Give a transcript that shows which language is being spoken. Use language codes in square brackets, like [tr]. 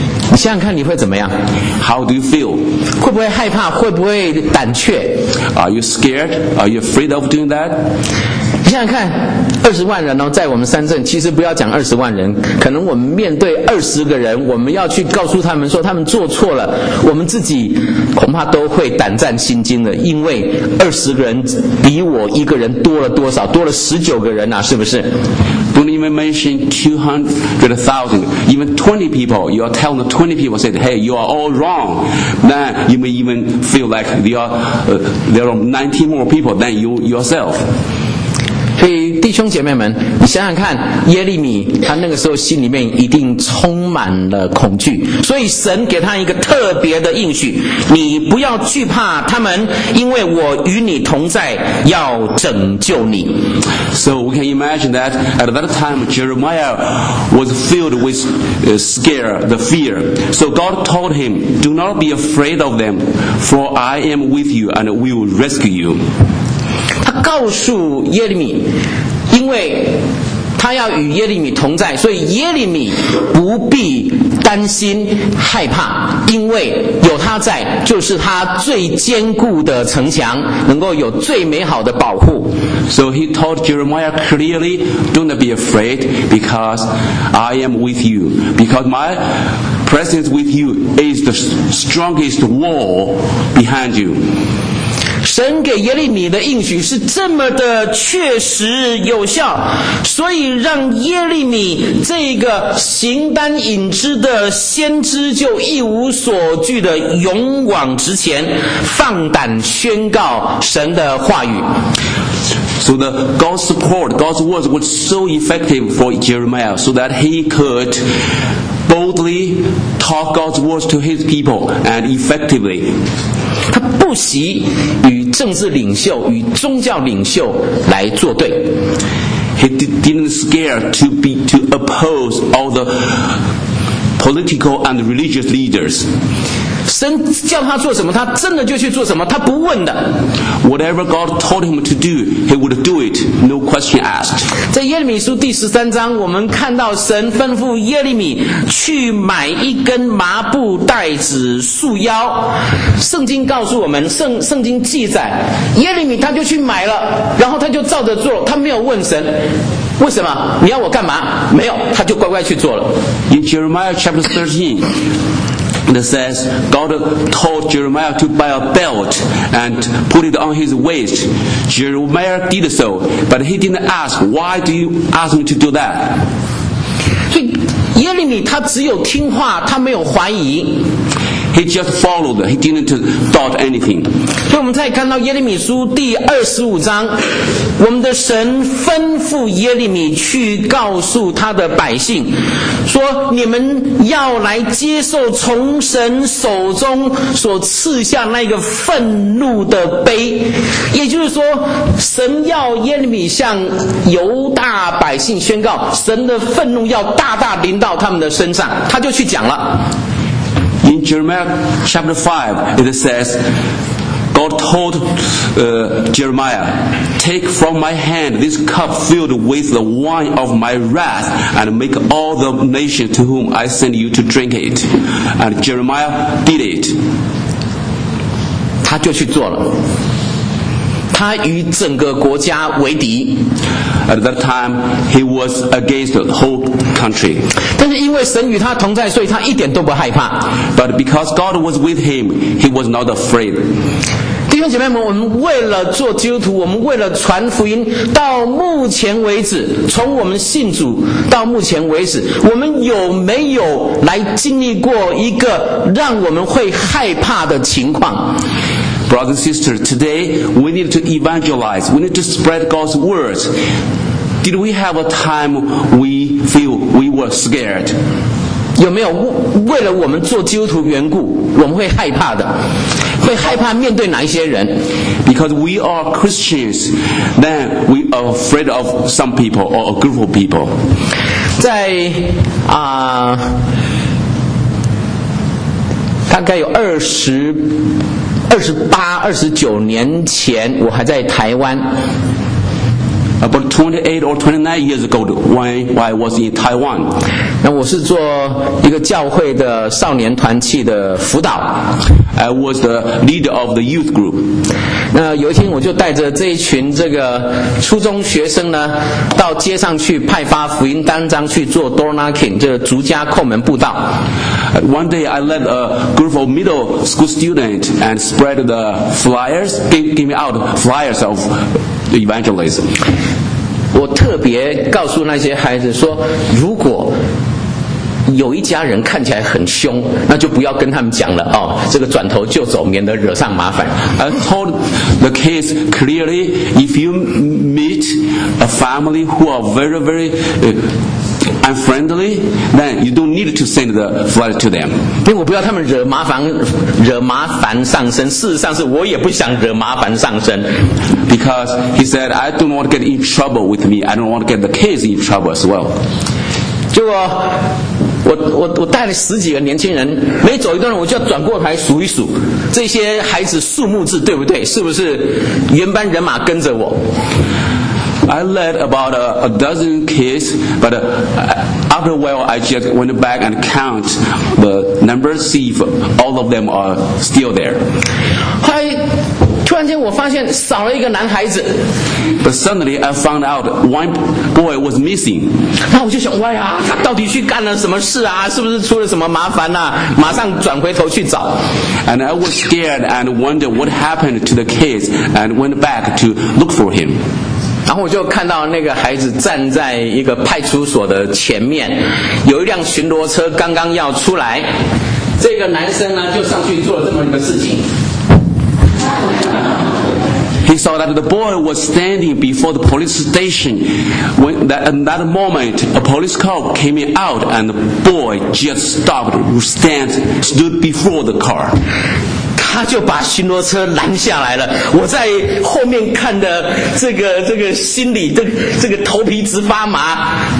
[zh] 你想想看你会怎么样？ [en] How do you feel? [zh] 会不会害怕？会不会胆怯？ [en] Are you scared? Are you afraid of doing that? [zh] 想想看，20万人哦，在我们三镇，其实不要讲20万人，可能我们面对20个人，我们要去告诉他们说他们做错了，我们自己恐怕都会胆战心惊的，因为20个人比我一个人多了多少？多了19个人啊，是不是？ [en] Don't even mention 200,000. Even 20 people, you are telling 20 people, said, hey, you are all wrong. Then you may even feel like there are 19 more people than you yourself. [zh] 所以弟兄姐妹们，你想想看，耶利米他那个时候心里面一定充满了恐惧，所以神给他一个特别的应许，你不要惧怕他们，因为我与你同在，要拯救你。 [en] So we can imagine that at that time Jeremiah was filled with scare, the fear. So God told him, do not be afraid of them, for I am with you and we will rescue you. [zh] 他告诉耶利米，因为他要与耶利米同在，所以耶利米不必担心害怕，因为有他在，就是他最坚固的城墙，能够有最美好的保护。 [en] So he told Jeremiah clearly, "Don't be afraid, because I am with you. Because my presence with you is the strongest wall behind you." [zh] 神给耶利米的应许是这么的确实有效，所以让耶利米这个形单影只的先知就一无所惧的勇往直前，放胆宣告神的话语。 [en] So the God's support, God's words was so effective for Jeremiah, so that he could boldly talk God's words to his people and effectively. [zh] 他不惜与政治领袖、与宗教领袖来作对。 [en] He didn't scare to oppose all the political and religious leaders. [zh] 神叫他做什么，他真的就去做什么，他不问的。 [en] Whatever God told him to do, he would do it, no question asked. [zh] 在耶利米书第13章，我们看到神吩咐耶利米去买一根麻布袋子束腰。圣经告诉我们，圣经记载，耶利米他就去买了，然后他就照着做，他没有问神为什么你要我干嘛，没有，他就乖乖去做了。 [en] In Jeremiah chapter 13 it says God told Jeremiah to buy a belt and put it on his waist. Jeremiah did so, but he didn't ask why do you ask me to do that. [zh] 耶利米他只有听话，他没有怀疑。 [en] He just followed. He didn't doubt anything. [zh] 所以我们再看到耶利米书第25章，我们的神吩咐耶利米去告诉他的百姓，说你们要来接受从神手中所赐下那个愤怒的杯，也就是说，神要耶利米向犹大百姓宣告，神的愤怒要大大临到他们的身上，他就去讲了。 [en] In Jeremiah chapter 5, it says, God told Jeremiah, take from my hand this cup filled with the wine of my wrath and make all the nations to whom I send you to drink it. And Jeremiah did it. [zh] 他就去做了。他与整个国家为敌。 [en] At that time, he was against the whole country. [zh] 但是因为神与他同在，所以他一点都不害怕。 [en] But because God was with him, he was not afraid. [zh] 弟兄姐妹们，我们为了做基督徒，我们为了传福音，到目前为止，从我们信主到目前为止，我们有没有来经历过一个让我们会害怕的情况？ [en] Brothers and sisters, today we need to evangelize. We need to spread God's word. Did we have a time we feel we were scared? [zh] 有没有为了我们做基督徒缘故，我们会害怕的？会害怕面对哪一些人 [en] ？Because we are Christians, then we are afraid of some people or a group of people. [zh] 在啊、大概有28、29年前，我还在台湾。 [en] About 28 or 29 years ago, when I was in Taiwan. [zh] 那我是做一个教会的少年团契的辅导。 [en] I was the leader of the youth group. [zh] 那有一天我就带着这一群这个初中学生呢，到街上去派发福音单张，去做 [en] door knocking， [zh] 就是逐家叩门布道。 [en] One day I led a group of middle school students and spread the flyers, giving out flyers of. Evangelism. [zh] 我特别告诉那些孩子说，如果有一家人看起来很凶，那就不要跟他们讲了哦，这个转头就走，免得惹上麻烦。 [en] I told the kids clearly, if you meet a family who are very, very, unfriendly, then you don't need to send the flyer to them. [zh] 因为我不要他们惹麻烦上身，事实上是我也不想惹麻烦上身。 [en] Because he said, I don't want to get in trouble with me. I don't want to get the kids in trouble as well. [zh] 结果我带了十几个年轻人，每走一段我就要转过台数一数这些孩子数目字对不对，是不是原班人马跟着我。 [en] I led about a dozen kids, but after a while, I just went back and count the numbers, see if all of them are still there. [zh] 后来突然间我发现少了一个男孩子。 [en] But suddenly I found out one boy was missing. [zh] 那我就想，哇呀，他到底去干了什么事啊？是不是出了什么麻烦啊？马上转回头去找。 [en] And I was scared and wondered what happened to the kids and went back to look for him. [zh] 然后我就看到那个孩子站在一个派出所的前面，有一辆巡逻车刚刚要出来，这个男生呢就上去做了这么一个事情。 [en] He saw that the boy was standing before the police station. When that moment, a police car came out, and the boy just stopped, stood before the car. [zh] 他就把巡逻车拦下来了，我在后面看的这个心里这个头皮直发麻。